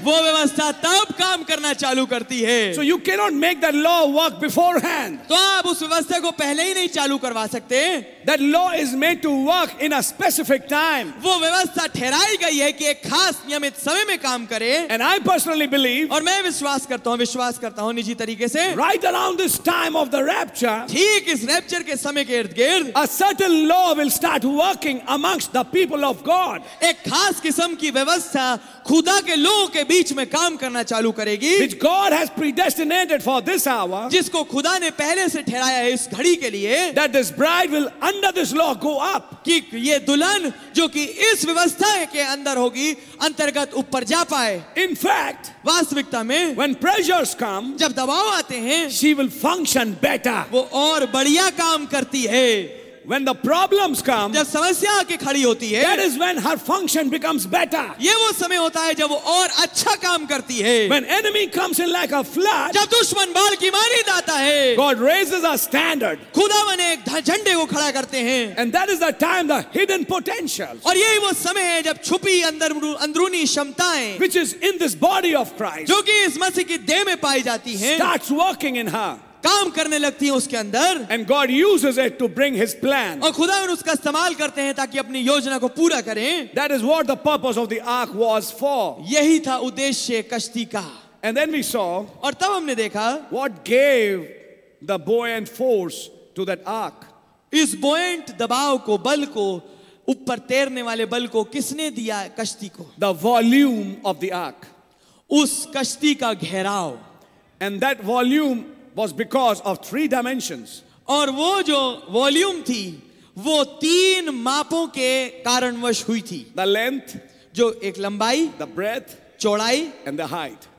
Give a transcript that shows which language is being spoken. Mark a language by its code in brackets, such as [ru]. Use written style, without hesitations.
[hi] वो व्यवस्था तब काम करना चालू करती है. [en] So you cannot make that law work beforehand. [hi] तो आप उस व्यवस्था को पहले ही नहीं चालू करवा सकते. [en] That law is made to work in a specific time. [hi] वो व्यवस्था ठहराई गई है कि एक खास नियमित समय में काम करे. [en] And I personally believe. [hi] और मैं विश्वास करता हूँ निजी तरीके से. [en] Right around this time of the rapture, [hi] ठीक इस रैप्चर के समय के इर्द-गिर्द, [en] a certain law will start working amongst the people of God. [hi] एक खास किस्म की व्यवस्था खुदा के लोगों के बीच में काम करना चालू करेगी, [en] which God has predestinated for this hour, [hi] जिसको खुदा ने पहले से ठहराया है इस घड़ी के लिए, [en] that this bride will under this law go up. [hi] कि ये दुल्हन जो कि इस व्यवस्था के अंदर होगी, अंतर्गत ऊपर जा पाए. [en] In fact, [hi] वास्तविकता में, [en] when pressures come, [hi] जब दबाव आते [en] She will function better. [hi] वो और बढ़िया काम करती है. [en] When the problems come, [hi] जब समस्या आके खड़ी होती है, [en] that is when her function becomes better. [hi] ये वो समय होता है जब वो और अच्छा काम करती है. [en] When enemy comes in like a flood, [hi] जब दुश्मन बाल की मारी आता है, [en] God raises a standard. [hi] खुदा वन एक झंडे को खड़ा करते हैं. [en] And that is the time the hidden potentials. [hi] और ये वो समय है जब छुपी अंदरूनी क्षमताएं, [en] which is in this body of Christ, [hi] जो कि इस मसीह के देह में पाई जाती हैं, [en] starts working in her. [hi] काम करने लगती है उसके अंदर [en] and God uses it to bring his plan [hi] और खुदा उसका इस्तेमाल करते हैं ताकि अपनी योजना को पूरा करें [en] that is what the purpose of the ark was for [hi] यही था उद्देश्य कश्ती का [en] and then we saw [hi] और तब हमने देखा [en] what gave the buoyant force to that ark [hi] इस बोयंट दबाव को बल को ऊपर तैरने वाले बल को किसने दिया कश्ती को [en] the volume of the ark [hi] उस कश्ती का घेराव [en] and that volume was because of three dimensions [hi] aur wo jo volume thi wo teen maapon ke karanvash hui thi [en] the length [hi] jo ek lambai [en] the breadth [hi] chaudai [en] and the height